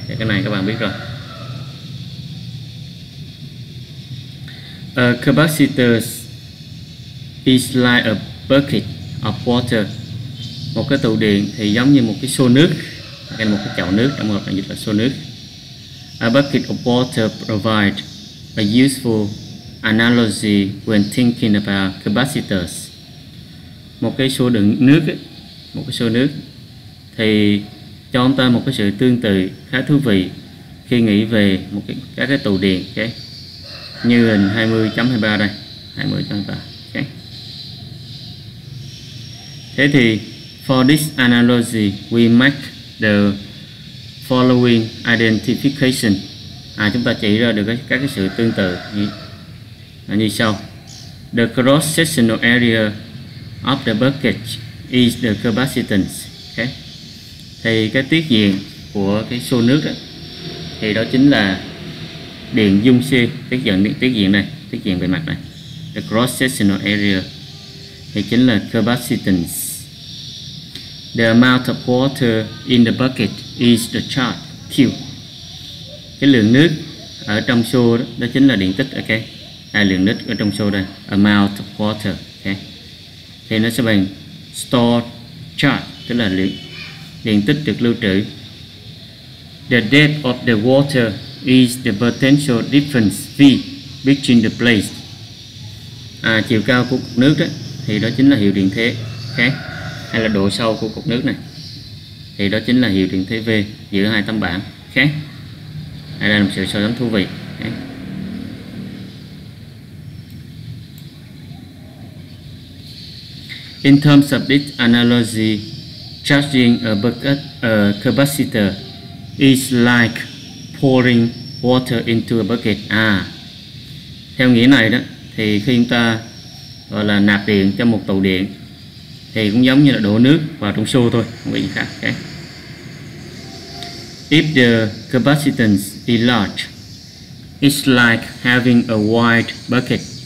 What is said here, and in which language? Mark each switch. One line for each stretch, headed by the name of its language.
Vietnamese: Thì cái này các bạn biết rồi.
English: A capacitor is like a bucket of water.
Vietnamese: Một cái tụ điện thì giống như một cái xô nước, hay một cái chậu nước, trong một hợp dịch là xô nước.
English: A bucket of water provides a useful analogy when thinking about capacitors.
Vietnamese: Một cái xô đựng nước ấy, một cái xô nước thì cho chúng ta một cái sự tương tự khá thú vị khi nghĩ về một cái các cái tụ điện. Okay. Như hình 20.23 đây, 20.23. Okay. Thế thì
English: for this analogy we make the following identification.
Vietnamese: À, chúng ta chỉ ra được các cái sự tương tự như sau.
English: The cross-sectional area of the bucket is the capacitance. Okay.
Vietnamese: Thì cái tiết diện của cái xô nước đó, thì đó chính là điện dung xuyên, tiết diện này, tiết diện bề mặt này.
English: The cross-sectional area
Vietnamese: thì chính là capacitance.
English: The amount of water in the bucket is the charge Q.
Vietnamese: Cái lượng nước ở trong xô đó, đó chính là điện tích. Ok. À, lượng nước ở trong xô đây,
English: amount of water.
Vietnamese: Ok. Thì nó sẽ bằng
English: stored charge,
Vietnamese: tức là lượng điện tích được lưu trữ.
English: The depth of the water is the potential difference V between the place.
Vietnamese: À, chiều cao của cục nước đó, thì đó chính là hiệu điện thế. Okay. Hay là độ sâu của cục nước này, thì đó chính là hiệu điện thế V giữa hai tấm bảng. Okay. Đây là một sự so sánh thú vị. Okay.
English: In terms of this analogy, charging a bucket, a capacitor is like pouring water into a bucket.
Vietnamese: À, theo nghĩa này đó, thì khi chúng ta gọi là nạp điện cho một tụ điện thì cũng giống như là đổ nước vào trong xô thôi, không có gì khác. Okay.
English: If the capacitance is large, it's like having a wide bucket.